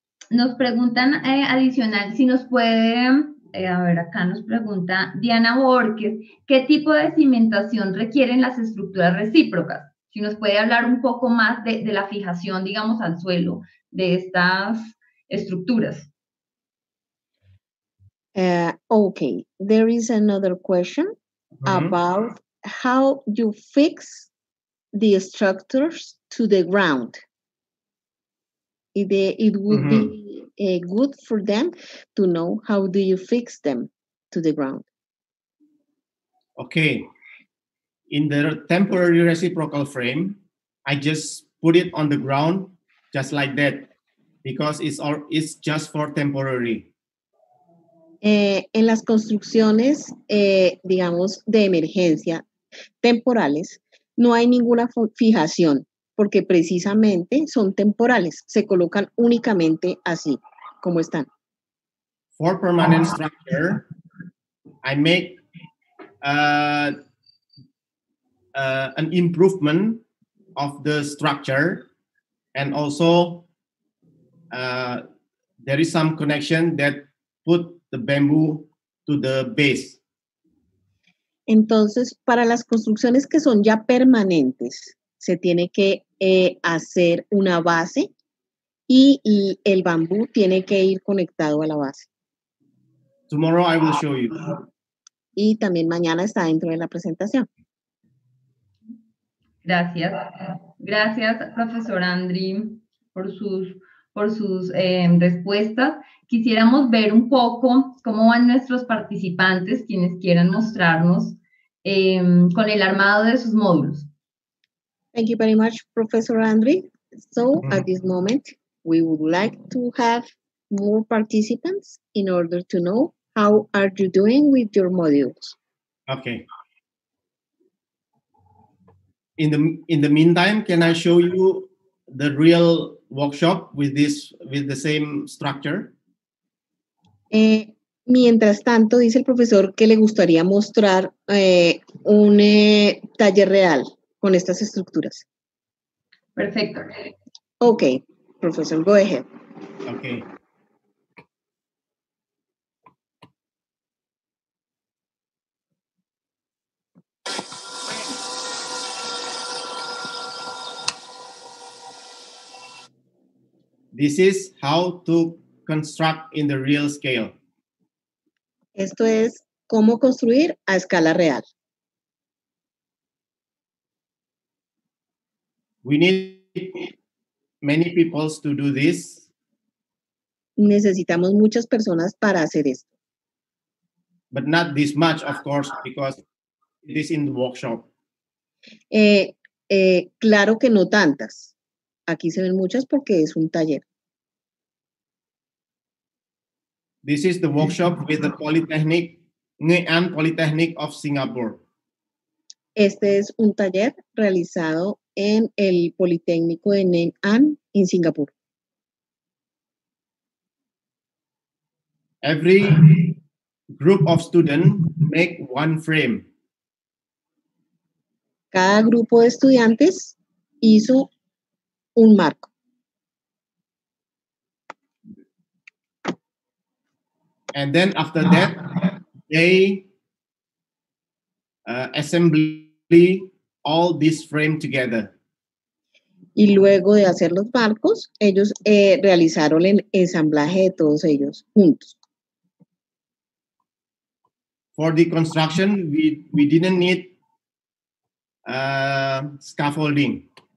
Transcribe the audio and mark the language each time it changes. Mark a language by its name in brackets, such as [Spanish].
[Spanish] Nos preguntan adicional si nos puede, a ver, acá nos pregunta Diana Borges, ¿qué tipo de cimentación requieren las estructuras recíprocas? Si nos puede hablar un poco más de la fijación, digamos, al suelo de estas estructuras. [English] Okay, there is another question about how you fix the structures to the ground. It would be good for them to know how do you fix them to the ground. Okay. In the temporary reciprocal frame, I just put it on the ground just like that because it's just for temporary. [Spanish] En las construcciones, digamos, de emergencia temporales, no hay ninguna fijación. Porque precisamente son temporales, se colocan únicamente así, como están. [English] For permanent structure, I make an improvement of the structure, and also there is some connection that put the bamboo to the base. [Spanish] Entonces, para las construcciones que son ya permanentes, se tiene que hacer una base y el bambú tiene que ir conectado a la base. [English] Tomorrow I will show you. [Spanish] Y también mañana está dentro de la presentación. Gracias. Gracias, profesor Andri, por sus respuestas. Quisiéramos ver un poco cómo van nuestros participantes, quienes quieran mostrarnos con el armado de sus módulos. [English] Thank you very much, Professor Andri. So at this moment, we would like to have more participants in order to know how are you doing with your modules. Okay. In the meantime, can I show you the real workshop with the same structure? [Spanish] Mientras tanto, dice el profesor que le gustaría mostrar taller real. Con estas estructuras. Perfecto. [English] Okay, profesor, go ahead. Okay. This is how to construct in the real scale. [Spanish] Esto es cómo construir a escala real. [English] We need many people to do this. [Spanish] necesitamos muchas personas para hacer esto. [English] But not this much, of course, because it is in the workshop. [Spanish] Claro que no tantas. Aquí se ven muchas porque es un taller. [English] This is the workshop with the Polytechnic, Nghệ An Polytechnic of Singapore. [Spanish] Este es un taller realizado en el Politécnico de Nghệ An en Singapur. [English] Every group of students make one frame. [Spanish] Cada grupo de estudiantes hizo un marco. [English] And then after that, they assembly all this frame together. [Spanish] Y luego de hacer los marcos, ellos realizaron el ensamblaje de todos ellos juntos. [English] For the construction, we didn't need scaffolding.